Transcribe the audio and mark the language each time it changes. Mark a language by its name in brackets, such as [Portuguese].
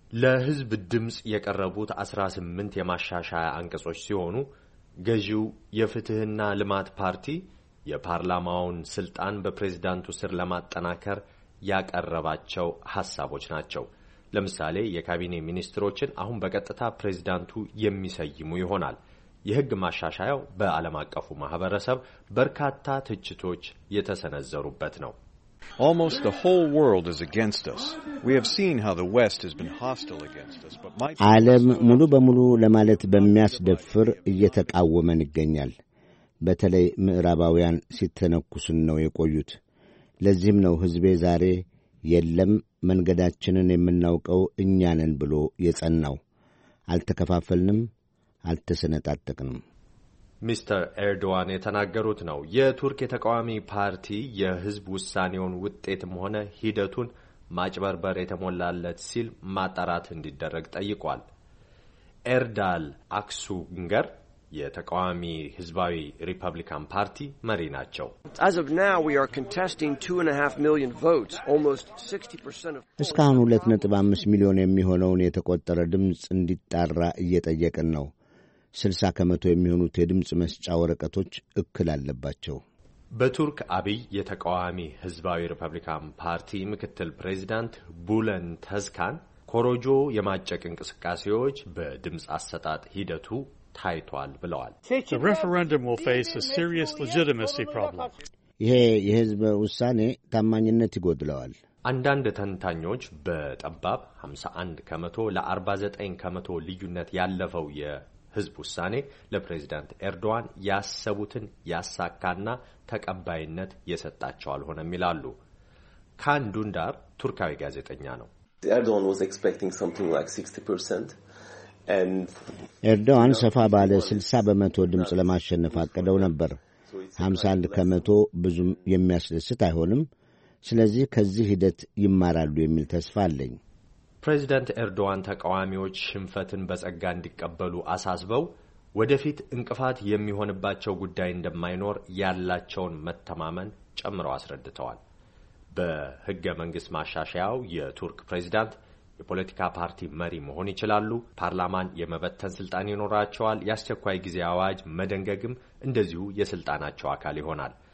[Amharic] ለሕዝብ ድምፅ የቀረቡት 18 የማሻሻያ አንቀጾች ሲሆኑ ገዢው የፍትህና ልማት ፓርቲ የፓርላማውን ሥልጣን በፕሬዝዳንቱ ስር ለማጠናከር ያቀረባቸው ሐሳቦች ናቸው። ለምሳሌ የካቢኔ ሚኒስትሮችን አሁን በቀጥታ ፕሬዝዳንቱ የሚሰይሙ ይሆናል። የሕግ ማሻሻያው በዓለም አቀፉ ማህበረሰብ በርካታ ትችቶች የተሰነዘሩበት ነው። [English] Almost the whole world is against us. We have seen how the West has been hostile against us, but my [Amharic] ዓለም ሙሉ በሙሉ ለማለት በሚያስደፍር እየተቃወመን ይገኛል። በተለይ ምዕራባውያን ሲተነኩስን ነው የቆዩት። ለዚህም ነው ህዝቤ ዛሬ የለም መንገዳችንን የምናውቀው እኛንን ብሎ የጸናው። አልተከፋፈልንም አልተሰነጣጠቅንም። ሚስተር ኤርዶዋን የተናገሩት ነው። የቱርክ የተቃዋሚ ፓርቲ የህዝብ ውሳኔውን ውጤትም ሆነ ሂደቱን ማጭበርበር የተሞላለት ሲል ማጣራት እንዲደረግ ጠይቋል። ኤርዳል አክሱንገር የተቃዋሚ ህዝባዊ ሪፐብሊካን ፓርቲ መሪ ናቸው። [English] As of now we are contesting 2.5 million votes, almost 60% of [Amharic] እስካሁን 2.5 ሚሊዮን የሚሆነውን የተቆጠረ ድምጽ እንዲጣራ እየጠየቅን ነው። 60 ከመቶ የሚሆኑት የድምጽ መስጫ ወረቀቶች እክል አለባቸው። በቱርክ አብይ የተቃዋሚ ህዝባዊ ሪፐብሊካን ፓርቲ ምክትል ፕሬዚዳንት ቡለን ተዝካን ኮሮጆ የማጨቅ እንቅስቃሴዎች በድምጽ አሰጣጥ ሂደቱ ታይቷል ብለዋል። [English] The referendum will face a serious legitimacy problem. [Amharic] ይሄ የህዝብ ውሳኔ ታማኝነት ይጎድለዋል። አንዳንድ ተንታኞች በጠባብ 51 ከመቶ ለ49 ከመቶ ልዩነት ያለፈው የህዝብ ውሳኔ ለፕሬዝዳንት ኤርዶዋን ያሰቡትን ያሳካና ተቀባይነት የሰጣቸዋል ሆነም ይላሉ። ካንዱንዳር ቱርካዊ ጋዜጠኛ ነው። [English] Erdoğan was expecting something like 60%. [Amharic] ኤርዶዋን ሰፋ ባለ 60 በመቶ ድምጽ ለማሸነፍ አቀደው ነበር። 51 ከመቶ ብዙም የሚያስደስት አይሆንም። ስለዚህ ከዚህ ሂደት ይማራሉ የሚል ተስፋ አለኝ። ፕሬዚዳንት ኤርዶዋን ተቃዋሚዎች ሽንፈትን በጸጋ እንዲቀበሉ አሳስበው ወደፊት እንቅፋት የሚሆንባቸው ጉዳይ እንደማይኖር ያላቸውን መተማመን ጨምረው አስረድተዋል። በሕገ መንግሥት ማሻሻያው የቱርክ ፕሬዚዳንት የፖለቲካ ፓርቲ መሪ መሆን ይችላሉ። ፓርላማን የመበተን ስልጣን ይኖራቸዋል። ያስቸኳይ ጊዜ አዋጅ መደንገግም እንደዚሁ የስልጣናቸው አካል ይሆናል።